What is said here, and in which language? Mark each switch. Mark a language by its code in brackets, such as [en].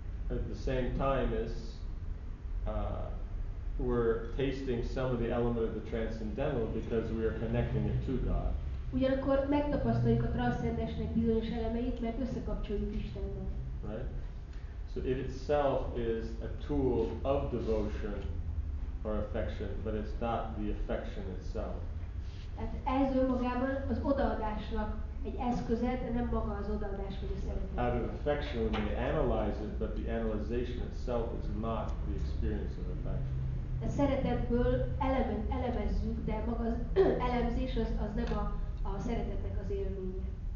[en] At the same time as we're tasting some of the element of the transcendental because we are connecting it to God. [hu] Ugyanakkor megtapasztaljuk a transzcendensnek bizonyos elemeit, mert összekapcsoljuk Istennel. [en] Right? So it itself is a tool of devotion or affection, but it's not the affection itself. [hu] Tehát ez önmagában az odaadásnak egy eszköze, de nem maga az odaadás, vagy a szeretet. [en] Out of affection we may analyze it, but the analyzation itself is not the experience of affection. [hu] A szeretetből elemezzük, de maga az elemzés az nem a szeretetnek az élménye.